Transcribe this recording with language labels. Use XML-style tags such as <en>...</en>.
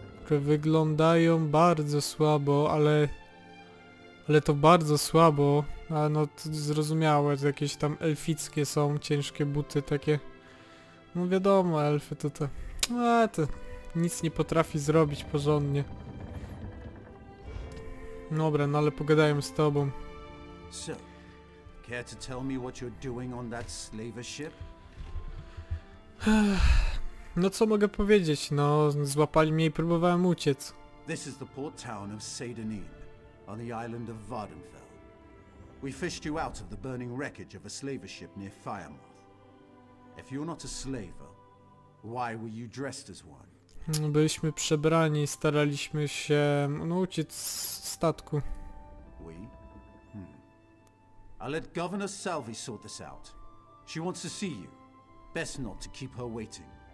<pl>Wyglądają bardzo słabo, ale to bardzo słabo, ale no to zrozumiałe, że jakieś tam elfickie są, ciężkie buty takie. No wiadomo, elfy to te, a to nic nie potrafi zrobić porządnie. Dobra, no ale pogadajmy z tobą.</pl> <en>So, care to tell me what you're doing on that slaver ship?</en> <pl>No co mogę powiedzieć? No, złapali mnie i próbowałem uciec.</pl> <en>This is the port town of Sadenin, on the island of Vardenfell. We fished you out of the burning wreckage of a slaver ship near Firemouth. If you're not a slaver, why were you dressed as one?</en> <pl>Byliśmy przebrani, staraliśmy się uciec z statku.</pl> <en>We? I'll let Governor Salvi sort this out. She wants to see you. Best not to keep her waiting.</en>